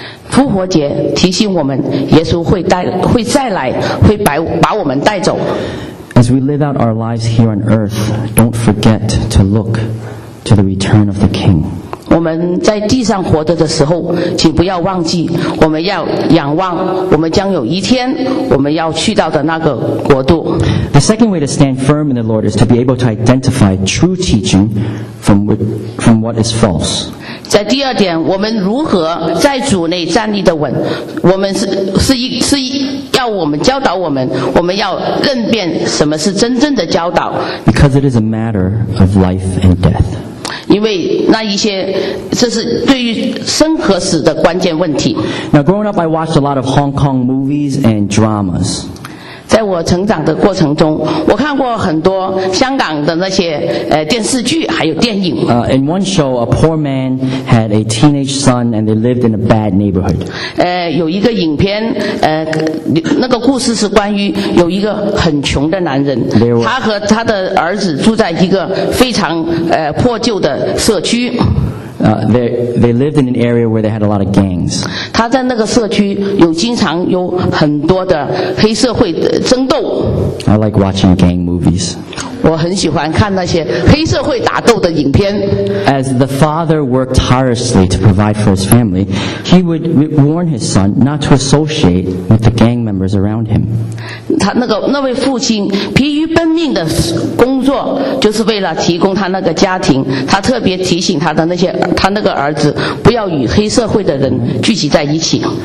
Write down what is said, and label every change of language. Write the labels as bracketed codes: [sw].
[zh] 复活节提醒我们，耶稣会再来，会把我们带走。 [en] As we live out our lives here on earth, don't forget to look to the return of the King. [zh] 我们在地上活着的时候，请不要忘记，我们要仰望，我们将有一天我们要去到的那个国度。 [en] The second way to stand firm in the Lord is to be able to identify true teaching from what is false. [zh] 在第二点，我们如何在主内站立的稳，我们 是要我们教导我们，我们要认辨什么是真正的教导。 [en] Because it is a matter of life and death. [zh] 因为那一些这是对于生和死的关键问题。 [en] Now growing up I watched a lot of Hong Kong movies and dramas. [zh] 在我成长的过程中，我看过很多香港的那些电视剧还有电影。 [en] In one show, a poor man had a teenage son and they lived in a bad neighborhood. [zh] 有一个影片那个故事是关于有一个很穷的男人，他和他的儿子住在一个非常破旧的社区。 [en] They lived in an area where they had a lot of gangs. [zh] 他在那个社区有经常有很多的黑社会争斗。 [en] I like watching gang movies. [zh] 我很喜欢看那些黑社会打斗的影片。 [en] As the father worked tirelessly to provide for his family, he would warn his son not to associate with the gang members around him. [zh] 他那位父亲疲于奔命的工作，就是为了提供他那个家庭。他特别提醒他的那些。他那个儿子不要与黑社会的人聚集在一起。